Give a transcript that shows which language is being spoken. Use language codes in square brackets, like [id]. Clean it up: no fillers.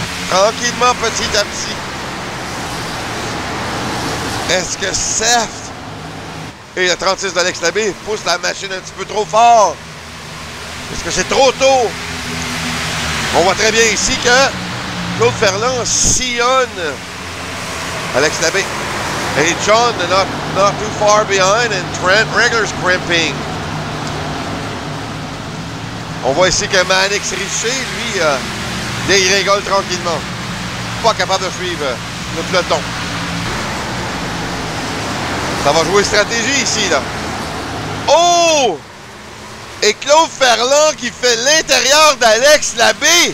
[fr] Tranquillement, petit à petit. Est-ce que Seth et le 36 d'Alex Labbe pousse la machine un petit peu trop fort. Est-ce que c'est trop tôt? On voit très bien ici que Claude Ferland sillonne Alex Labbe. [en] Et John, not too far behind, and Trent Regler's crimping. [fr] On voit ici que Mannix Richer, lui, dérégole tranquillement. Pas capable de suivre le peloton. Ça va jouer stratégie ici, là. Oh! Et Claude Ferland qui fait l'intérieur d'Alex Labbe.